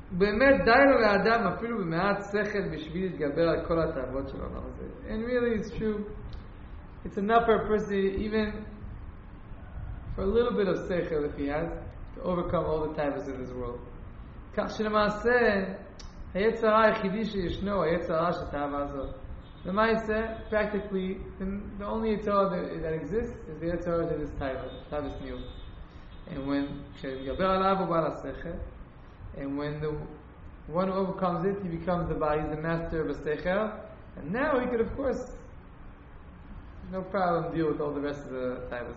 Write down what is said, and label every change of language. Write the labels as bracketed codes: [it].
[he] באמת די לו לאדם אפילו במעט שכל בשביל להתגבר על כל התאוות של העולם הזה. [en] And really it's true, it's enough for a person even for a little bit of שכל, if he has, to overcome all the tavas in this world. [he] כך שלמעשה היצר היחידי שישנו היצר של התאווה הזאת. למה יצא? [en] Practically the only יצר that exists is the יצר of this tavas new. And when [he] כשמתגבר עליו הוא בא לשכל, [en] and when the one who overcomes it, he becomes the body, the master of a sechel. And now he could, of course, no problem, deal with all the rest of the tavas.